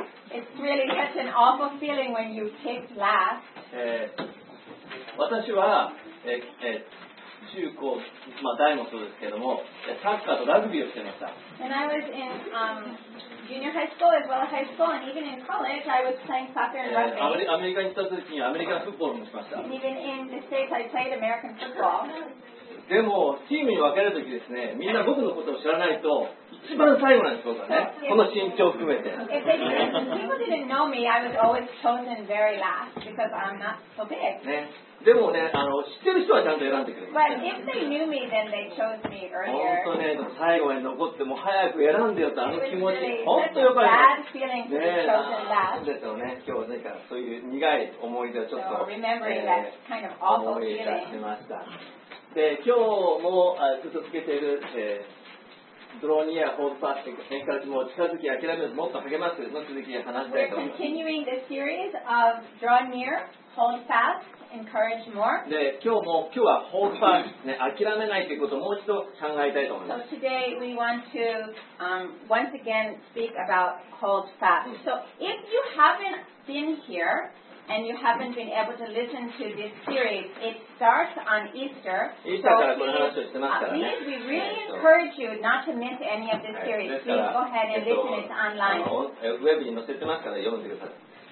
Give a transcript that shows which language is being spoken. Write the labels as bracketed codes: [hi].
[en] It's really such an awful feeling when you picked last. [ja] 私は中高、まあ、大もそうですけども、サッカーとラグビーをしてました。 [en] And I was in junior high school as well as high school, and even in college, I was playing soccer and rugby. [ja] アメリカに行った時にアメリカンフットボールもしました。 [en] And even in the States, I played American football. [ja] でも、チームに分けるときですね、みんな僕のことを知らないと、一番最後なんです、僕はね。この身長を含めて。 [en] People didn't know me, I was always chosen very last, because I'm not so big. [ja] ね。でもね、知ってる人はちゃんと選んでくれる。 [en] But if they knew me, then they chose me earlier. [ja] 本当ね、最後に残って、もう早く選んでよって、あの気持ち、 [en] really、 [ja] 本当よかった。 [en] Bad feeling to be chosen last. [ja] ね、ですよね、今日、だからそういう苦い思い出をちょっと、 [en] so remembering that kind of awful feeling. [ja] 思い出しました。で今日もずっとつけている、ドローニアホールパッチング、変化時も近づき諦めずもっと励ますの続きを話したいと思います。 [en] We're continuing the series of draw near, hold fast, encourage more. [ja] で今日はホールパッチング、ね、諦めないということをもう一度考えたいと思います。 [en] So today we want to once again speak about hold fast. So if you haven't been here,and you haven't been able to listen to this series, it starts on Easter. We really encourage you not to miss any of this series. Please go ahead and listen. It's online. [ja] Web に載せてますから読んでください。